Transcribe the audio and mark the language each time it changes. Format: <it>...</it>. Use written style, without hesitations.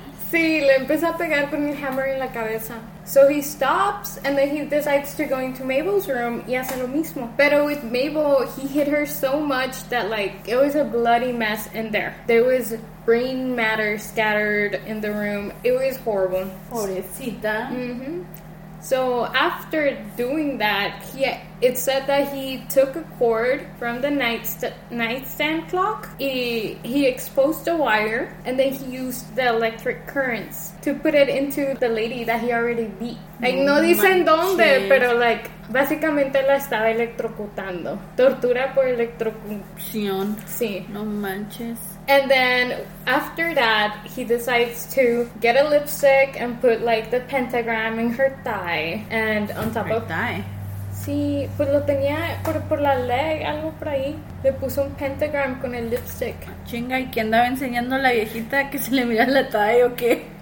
<es>Sí, le empieza a pegar con el hammer en la cabeza.</es> <en>So he stops, and then he decides to go into Mabel's room,</en> <es>y hace lo mismo.</es> <en>Pero with Mabel, he hit her so much that, like, it was a bloody mess in there. There was brain matter scattered in the room. It was horrible.</en> <es>Pobrecita. Mm-hmm.</es> <en>So after doing that, it said that he took a cord from the nightstand clock. He exposed a wire, and then he used the electric currents to put it into the lady that he already beat.</en> <es>Like, no dicen dónde, pero, like, básicamente la estaba electrocutando. Tortura por electrocución. Sí. No manches.</es> <en>And then after that, he decides to get a lipstick and put like the pentagram in her thigh and on top her of thigh.</en> <es>Sí, pues lo tenía por la leg, algo por ahí. Le puso un pentagram con el lipstick. Chinga, ¿y qué andaba enseñando a la viejita que se le mira la thigh o qué?</es>